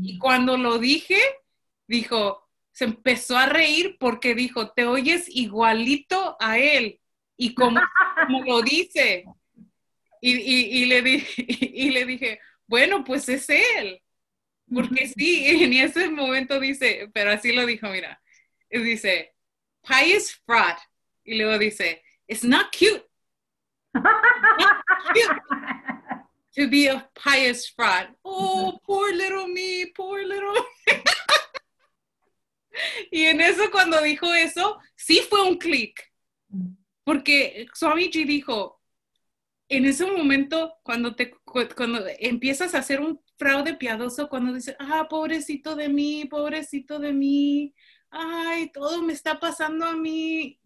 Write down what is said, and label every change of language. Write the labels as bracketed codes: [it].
[es] Y cuando lo dije, dijo, se empezó a reír porque dijo, te oyes igualito a él, y como lo dice. Y le dije, bueno, pues es él. Porque sí, en ese momento dice, pero así lo dijo, mira. Y dice, [en] pious fraud. [es] Y luego dice, [en] it's not cute. It's not cute to be a pious fraud. Oh, poor little me, poor little me. [es] Y en eso, cuando dijo eso, sí fue un click. Porque Swamiji dijo, en ese momento, cuando empiezas a hacer un fraude piadoso, cuando dices, ah, pobrecito de mí, ay, todo me está pasando a mí.